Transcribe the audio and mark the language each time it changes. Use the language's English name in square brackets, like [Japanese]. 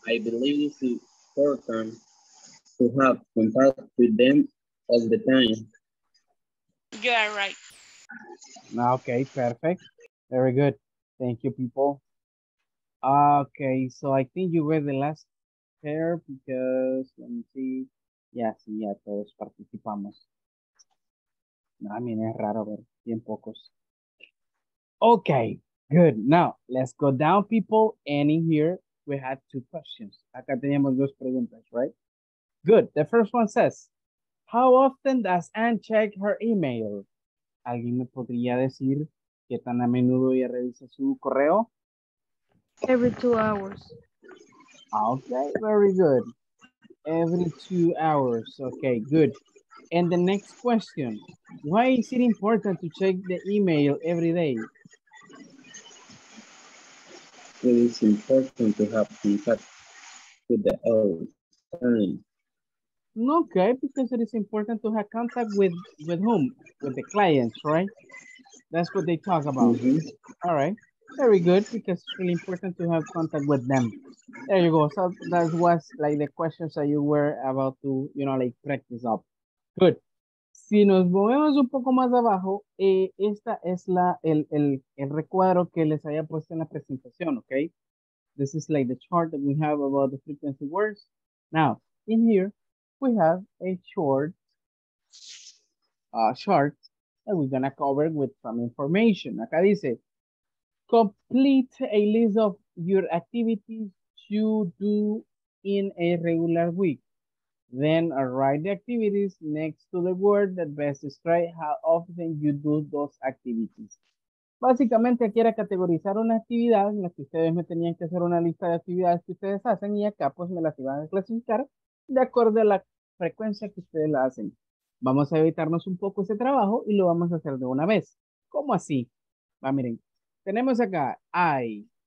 [English] I believe it's important to have contact with them all the time. You are right. Okay, perfect. Very good. Thank you, people. Okay, so I think you were the last pair because, let me see. [Spanish] Yeah, sí, ya todos participamos. No, [English] I mean, [Spanish] es raro ver bien pocos. [English] Okay. Good. Now, let's go down, people. And in here, we had two questions. [Spanish] Acá teníamos dos preguntas, [English] right? Good. The first one says, how often does Anne check her email? [Spanish] ¿Alguien me podría decir qué tan a menudo ella revisa su correo? [English] Every 2 hours. Okay, very good. Every 2 hours. Okay, good. And the next question, why is it important to check the email every day? It is important to have contact with the client. Okay, because it is important to have contact with whom? With the clients, right? That's what they talk about. Mm-hmm. All right. Very good, because it's really important to have contact with them. There you go. So that was like the questions that you were about to, you know, like practice up. Good. [Spanish] Si nos movemos un poco más abajo, esta es la el recuadro que les había puesto en la presentación, okay? [English] This is like the chart that we have about the frequency words. Now, in here, we have a short chart that we're gonna cover with some information. [Spanish] Acá dice, [English] complete a list of your activities you do in a regular week. Then write the activities next to the word that best describes how often you do those activities. [Spanish] Básicamente aquí era categorizar una actividad en la que ustedes me tenían que hacer una lista de actividades que ustedes hacen y acá pues me las iban a clasificar de acuerdo a la frecuencia que ustedes la hacen. Vamos a evitarnos un poco ese trabajo y lo vamos a hacer de una vez. ¿Cómo así? Va, miren. Tenemos acá, I.